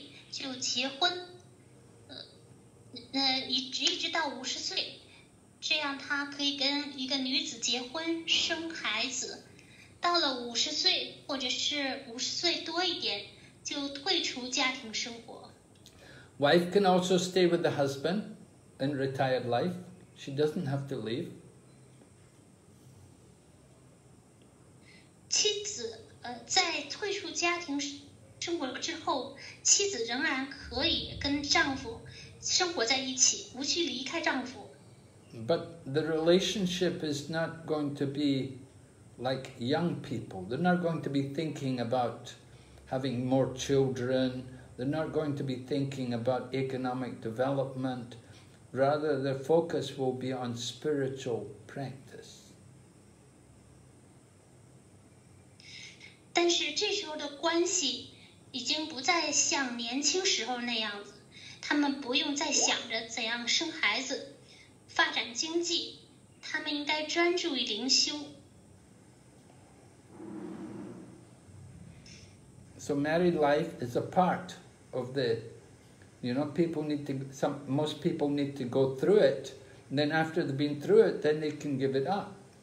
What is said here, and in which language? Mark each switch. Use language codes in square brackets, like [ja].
[zh] 就结婚，一直到五十岁，这样他可以跟一个女子结婚生孩子。到了五十岁，或者是五十岁多一点，就退出家庭生活。 [en] Wife can also stay with the husband in retired life. She doesn't have to leave. [zh] 妻子在退出家庭生活之后，妻子仍然可以跟丈夫生活在一起，无需离开丈夫。 [en] But the relationship is not going to be like young people. They're not going to be thinking about having more children. They're not going to be thinking about economic development. Rather, their focus will be on spiritual practice. [zh] 但是这时候的关系已经不再像年轻时候那样子，他们不用再想着怎样生孩子、发展经济，他们应该专注于灵修。 [en] So married life is a part of the, you know, people need to, some, most people need to go through it, and then after they've been through it, then they can give it up.